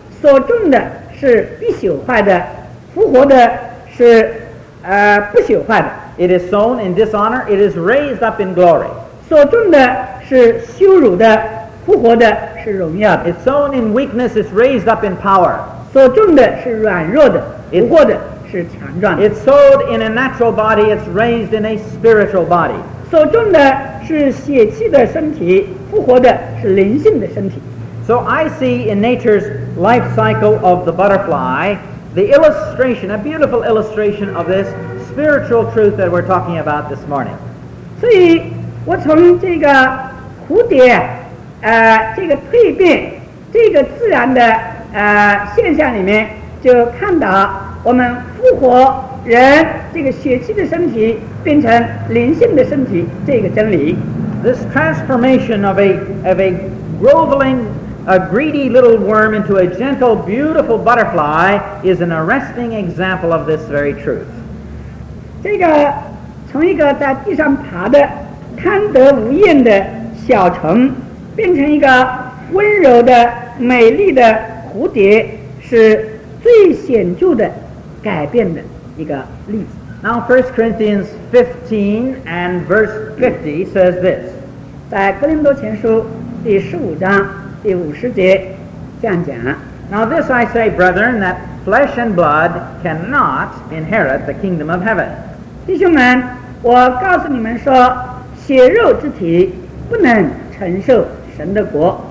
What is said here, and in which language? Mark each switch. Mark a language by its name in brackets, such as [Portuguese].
[Chinese] 所种的是必朽坏的，复活的是不朽坏的。 [English] It is sown in dishonor, it is raised up in glory. [Chinese] 所种的是羞辱的，复活的是荣耀的。 [English] It's sown in weakness, it's raised up in power. [Chinese] 所种的是软弱的，复活的是强壮的。 [English] It's sowed in a natural body, it's raised in a spiritual body. [Chinese] 所种的是血气的身体，复活的是灵性的身体。 [English] So I see in nature's life cycle of the butterfly, the illustration, a beautiful illustration of this spiritual truth that we're talking about this morning. [Chinese] 所以我从这个蝴蝶这个蜕变这个自然的现象里面就看到我们复活人这个血气的身体变成灵性的身体这个真理。 [English] This transformation of a groveling, a greedy little worm into a gentle, beautiful butterfly is an arresting example of this very truth. [Chinese] 这个从一个在地上爬的贪得无厌的小虫变成一个温柔的美丽的蝴蝶是最显著的改变的一个例子。 [English] Now 1 Corinthians 15 and verse 50 says this. [Chinese] 在哥林多前书第十五章第五十节这样讲。 [English] Now this I say, brethren, that flesh and blood cannot inherit the kingdom of heaven. [Chinese] 弟兄们，我告诉你们说，血肉之体不能承受神的国。